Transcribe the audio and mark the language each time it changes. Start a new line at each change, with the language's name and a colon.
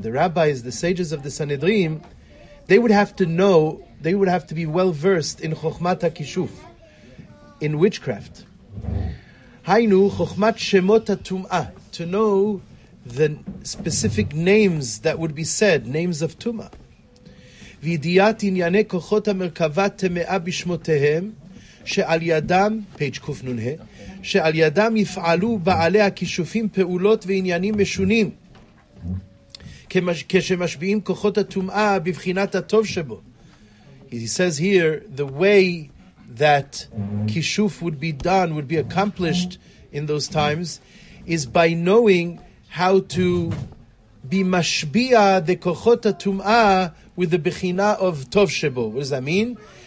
English: The rabbis, the sages of the Sanhedrin, they would have to know, they would have to be well-versed in Chochmat HaKishuf, in witchcraft.
Hebrew: Hainu Chochmat Shemot HaTum'ah, to know the specific names that would be said, names of Tum'ah. V'idiyat inyane kochot ha-merkava teme'a bishmotehem, שעל ידם, פייג' קוף נונה, שעל ידם יפעלו בעלי הכישופים פעולות ועניינים משונים, כשמשביעים כוחות הטומאה בבחינת הטוב שבו.
English: He says here, the way that כישוף would be done, would be accomplished in those times, is by knowing how to be משביע the כוחות הטומאה with the בחינה of טוב שבו. What does that mean?